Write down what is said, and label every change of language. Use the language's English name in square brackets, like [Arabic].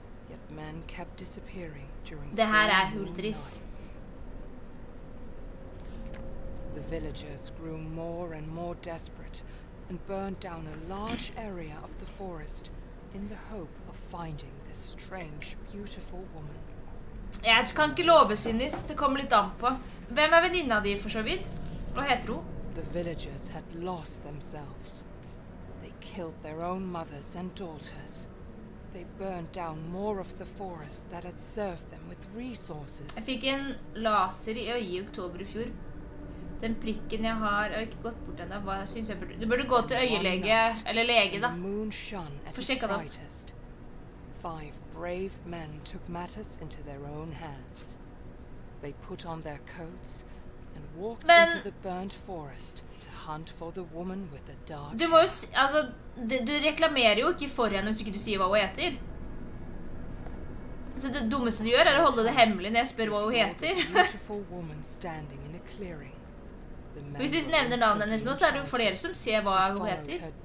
[English] Yet men kept disappearing during the night. [Norwegian] Det her huldris. [English] The villagers grew more and more desperate and burned down a large area of the forest in the hope of finding this strange, beautiful woman. [Norwegian] Jeg kan ikke love synes, det kommer litt an på. Hvem venninna di for så vidt? Hva heter hun? [English] The villagers had lost themselves. They killed their own mothers and daughters. They burned down more of the forest that had served them with resources. [Norwegian] Jeg fikk en laser i øyet i oktober i fjor. Den prikken jeg har, jeg har ikke gått bort enda, hva synes jeg burde... Du burde gå til øyelege, eller lege da. For å sjekke det. [English] 5 brave men took matters into their own hands. They put on their coats and walked into the burnt forest to hunt for the woman with the dark... [Norwegian] Du må jo si... Altså, du reklamerer jo ikke for henne hvis ikke du sier hva hun heter. Så det dummeste du gjør er å holde det hemmelig når jeg spør hva hun heter. Du ser en [English] beautiful woman standing in a clearing. [Norwegian] Hvis vi nevner navnet hennes nå, så er det jo flere som ser hva hun heter.